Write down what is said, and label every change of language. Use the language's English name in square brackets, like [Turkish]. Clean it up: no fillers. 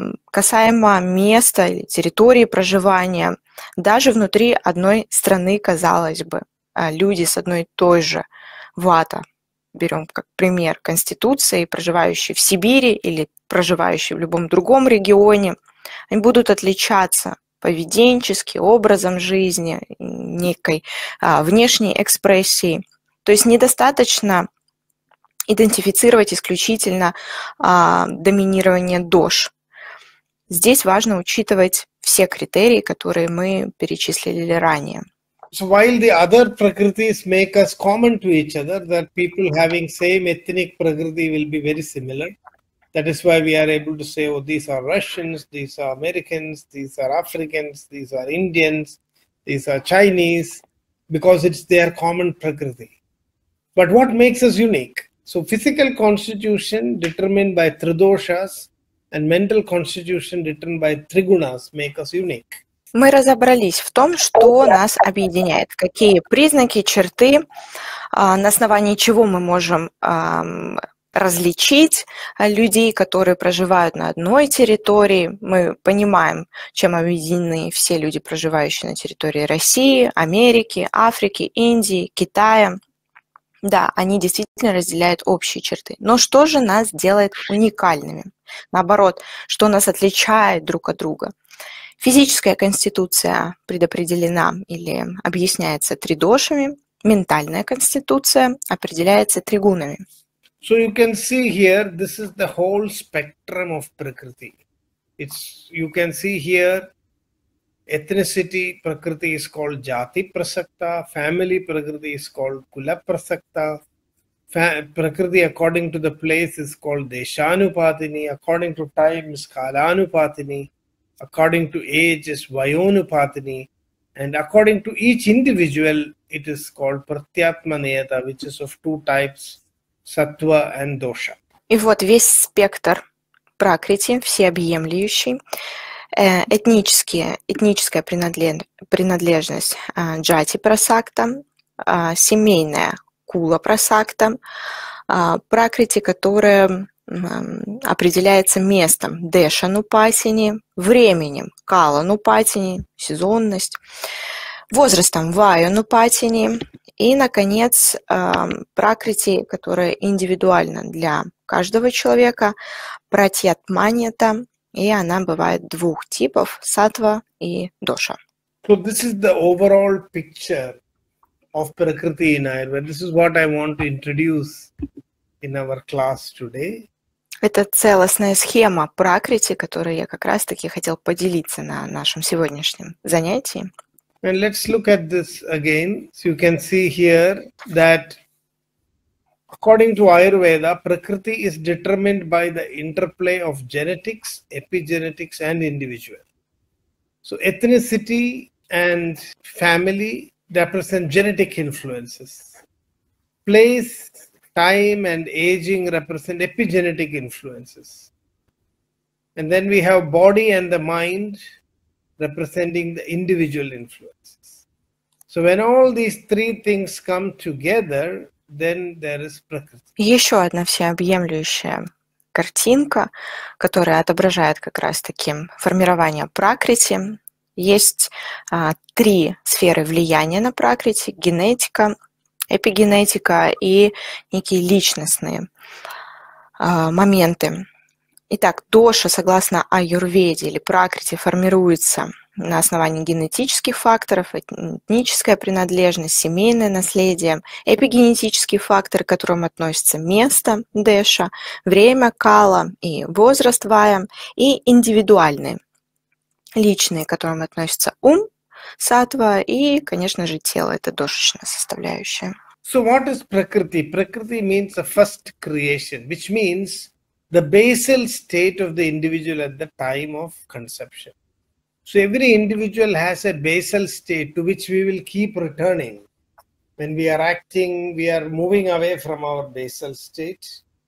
[Russian] Касаемо места или территории проживания, даже внутри одной страны, казалось бы, люди с одной и той же вата, берем как пример конституции, проживающие в Сибири или проживающие в любом другом регионе, они будут отличаться поведенчески, образом жизни, некой внешней экспрессией. То есть недостаточно идентифицировать исключительно доминирование дош. Здесь важно учитывать все критерии, которые мы перечислили ранее. [English] So while the other prakritis make us common to each other, that people having same ethnic prakriti will be very similar, That is why we are able to say, oh, these are Russians, these are Americans, these are Africans, these are Indians, these are Chinese, because it's their common prakriti. But what makes us unique? So physical constitution determined by tridoshas and mental constitution determined by trigunas make us unique. [Russian] Мы разобрались в том, что нас объединяет, какие признаки, черты, на основании чего мы можем различить людей, которые проживают на одной территории. Мы понимаем, чем объединены все люди, проживающие на территории России, Америки, Африки, Индии, Китая. Да, они действительно разделяют общие черты. Но что же нас делает уникальными? Наоборот, что нас отличает друг от друга? Физическая конституция предопределена или объясняется тридошами, ментальная конституция определяется тригунами. [English] So you can see here, this is the whole spectrum of prakriti. It's, you can see here, ethnicity prakriti is called jati prasakta, family prakriti is called kula prasakta, prakriti according to the place is called deshanupatini, according to time is kalanupatini, according to age is vayonupatini, and according to each individual, it is called pratyatmaneyata, which is of two types, sattva and dosha. [Russian] И вот весь спектр пракрити, всеобъемлющий, этническая принадлежность джати прасакта, семейная кула прасакта, пракрити, которая определяется местом дешанупасини, временем каланупасини, сезонность, возрастом ваюнупасини и, наконец, пракрити, которая индивидуальна для каждого человека, пратьятманьята, и она бывает двух типов, сатва и доша. [English] So this is the overall picture of prakriti in Ayurveda. This is what I want to introduce in our class today. [Russian] Это целостная схема пракрити, которую я как раз-таки хотел поделиться на нашем сегодняшнем занятии. [English] And let's look at this again. So you can see here that according to Ayurveda, prakriti is determined by the interplay of genetics, epigenetics and individual. So ethnicity and family represent genetic influences. Place, time and aging represent epigenetic influences. And then we have body and the mind representing the individual influences. So when all these three things come together, then there is prakriti. [Russian] Еще одна всеобъемлющая картинка, которая отображает как раз-таки формирование пракрити. Есть три сферы влияния на пракрити: генетика, эпигенетика и некие личностные моменты. Итак, доша, согласно аюрведе или пракрити, формируется на основании генетических факторов, этническая принадлежность, семейное наследие, эпигенетический фактор, к которому относится место деша, время кала и возраст вая, и индивидуальные, личные, к которым относится ум, сатва и, конечно же, тело, это дошечная составляющая. [English] So what is prakriti? Prakriti means the first creation, which means the basal state of the individual at the time of conception. So every individual has a basal state to which we will keep returning. When we are acting, we are moving away from our basal state.